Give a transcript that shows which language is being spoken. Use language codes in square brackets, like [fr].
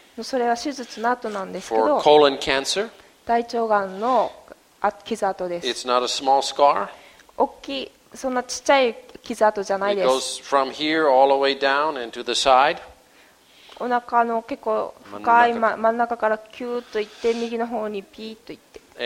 [ja] それは手術の後なんですけど。 [en] For colon cancer. [ja] 大腸がんの傷跡です。 [en] It's not a small scar. [ja] 大きいそんなちっちゃい傷跡じゃないです。 [en] It goes from here all the way down and to the side. [ja] お腹の結構深い真ん中からキューッと行って右の方にピーッと行って。